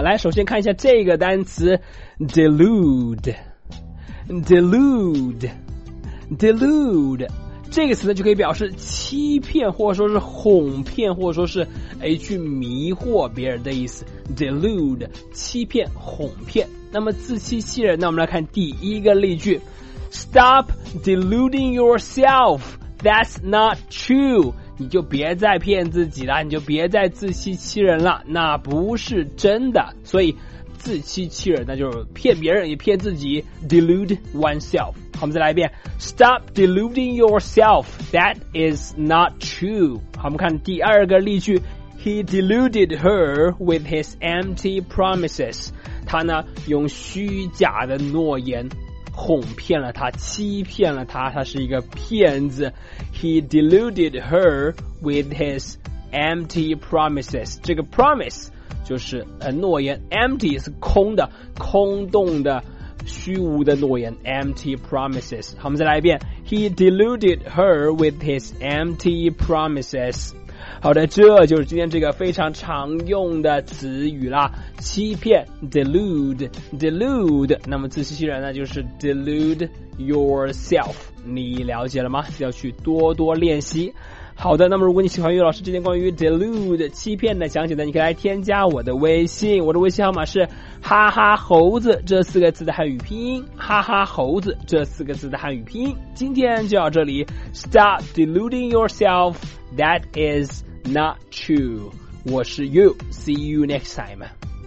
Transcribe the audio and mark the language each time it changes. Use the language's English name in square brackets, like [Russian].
[Chinese] 来，首先看一下这个单词 delude 这个词呢，就可以表示欺骗或者说是哄骗或者说是去迷惑别人的意思。 delude 欺骗哄骗。那么自欺欺人，那我们来看第一个例句。 [English] Stop deluding yourself. That's not true. [Chinese] 你就别再骗自己了，你就别再自欺欺人了，那不是真的。所以自欺欺人，那就是骗别人也骗自己。 [English] Delude oneself. [Chinese] 好，我们再来一遍。 [English] Stop deluding yourself. That is not true. [Chinese] 好，我们看第二个例句。 [English] He deluded her with his empty promises. [Chinese] 他呢，用虚假的诺言哄骗了他，欺骗了他，他是一个骗子。 [English] He deluded her with his empty promises. [Chinese] 这个 promise 就是诺言， empty 是空的，空洞的，虚无的诺言， empty promises. 好，我们再来一遍。 [English] He deluded her with his empty promises. [Chinese] 好的，这就是今天这个非常常用的词语啦。欺骗 delude 那么自欺欺人呢，就是 [English] delude yourself。 [Chinese] 你了解了吗？要去多多练习。好的，那么如果你喜欢于老师今天关于 delude 欺骗的讲解呢，你可以来添加我的微信。我的微信号码是哈哈猴子这四个字的汉语拼音，哈哈猴子这四个字的汉语拼音。今天就到这里。 [English] Stop deluding yourself. That is not true. [Chinese] 我是 [English] you. See you next time.